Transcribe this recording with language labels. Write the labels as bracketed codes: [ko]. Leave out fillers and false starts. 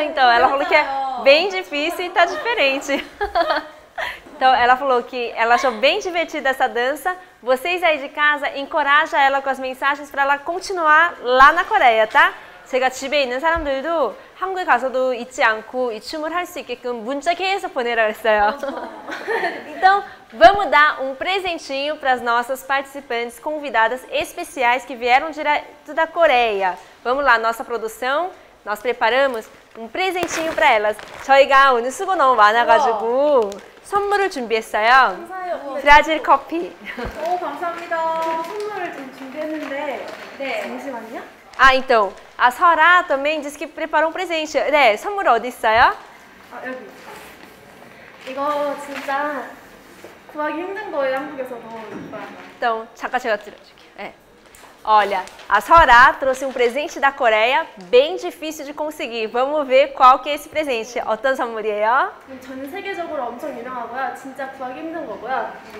[pt] Então, ela falou que é bem difícil e tá diferente. Então, ela falou que ela achou bem divertida essa dança. Vocês aí de casa, encoraja ela com as mensagens para ela continuar lá na Coreia, tá? [ko] 제가 집에 있는 사람들도 한국에 가서도 잊지 않고 이 춤을 할 수 있게끔 문자 계속 보내라 했어요. [pt] Então, vamos dar um presentinho para as nossas participantes convidadas especiais que vieram direto da Coreia. Vamos lá, nossa produção, nós preparamos um presentinho para elas. [ko] 저희가 오늘 수고 너무 많아가지고 선물을 준비했어요. 감사해요. 브라질 커피. 오, 감사합니다. 선물을 좀 준비했는데. 네. 잠시만요. [pt] Ah, então, a Sora também disse que preparou um presente. [ko] Né, 선물 어디 있어요? Ah, 여기. 이거 진짜 구하기 힘든 거예요, 한국에서 너무. Então, 잠깐 제가 들어줄게요. 네. [pt] Olha, a Sora trouxe um presente da Coreia bem difícil de conseguir. Vamos ver qual que é esse presente. [ko] 어떤 선물이에요? 전 세계적으로 엄청 유명하고요. 진짜 구하기 힘든 거고요.